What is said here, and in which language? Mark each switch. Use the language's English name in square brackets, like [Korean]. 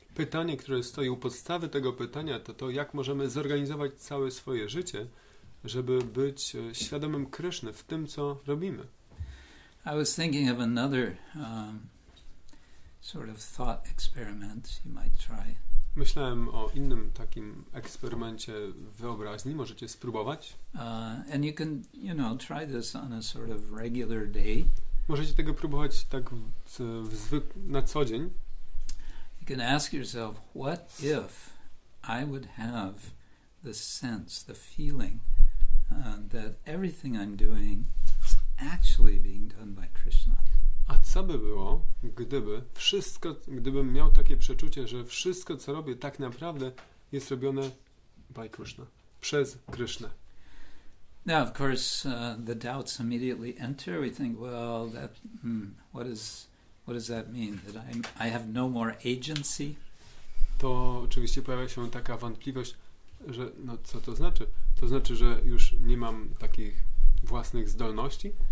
[Polish] Pytanie, które stoi u podstawy tego pytania, to jak możemy zorganizować całe swoje życie, żeby być świadomym Kryszny w tym, co robimy. [English] I was thinking of another sort of thought experiment you might try. [Polish] Myślałem o innym takim eksperymencie wyobraźni. Możecie spróbować. [English] And you can, you know, try this on a sort of regular day. [Polish] Możecie tego próbować tak na co dzień. [English] You can ask yourself, what if I would have the sense, the feeling that everything I'm doing is actually being done by Krishna. [Polish] A co by było, gdyby wszystko, gdybym miał takie przeczucie, że wszystko, co robię, tak naprawdę jest robione by Krishna, przez Krishna. [English] Now, of course, the doubts immediately enter. We think, well, that what does that mean? That I have no more agency? [Polish] To oczywiście pojawia się taka wątpliwość, że no co to znaczy? To znaczy, że już nie mam takich własnych zdolności?